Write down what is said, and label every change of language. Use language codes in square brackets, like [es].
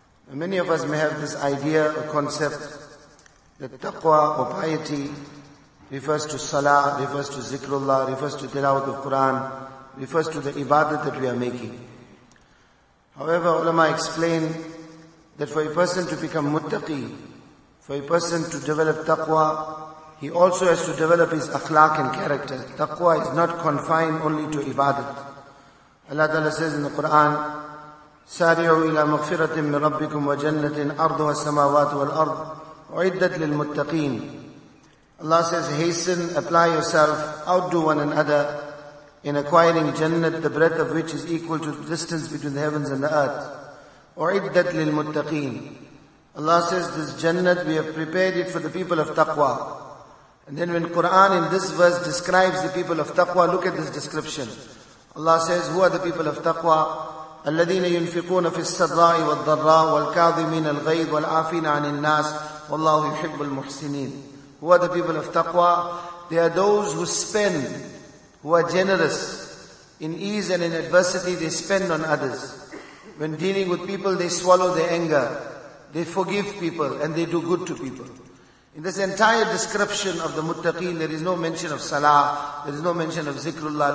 [en] Many of us may have this idea or concept that taqwa or piety refers to salah, refers to zikrullah, refers to tilawat of Quran, refers to the ibadah that we are making. However, ulama explain that for a person to become muttaqi, for a person to develop taqwa, he also has to develop his akhlaq and character. Taqwa is not confined only to ibadah. Allah Ta'ala says in the Quran, [ar] سارعوا إلى مغفرة من ربكم وجنة أرضها السماوات والأرض أعدت للمتقين. [en] Allah says, hasten, apply yourself, outdo one another in acquiring Jannah, the breadth of which is equal to the distance between the heavens and the earth. [ar] أعدت للمتقين. [en] Allah says, this Jannah, we have prepared it for the people of taqwa. And then when Quran in this verse describes the people of taqwa, look at this description. Allah says, who are the people of taqwa? [ar] الذين ينفقون في السراء والضراء والكاظمين الغيظ والعافين عن الناس والله يحب المحسنين. [en] Who are the people of taqwa? They are those who spend, who are generous. In ease and in adversity, they spend on others. When dealing with people, they swallow their anger. They forgive people and they do good to people. In this entire description of the muttaqeen, there is no mention of salah, there is no mention of zikrullah.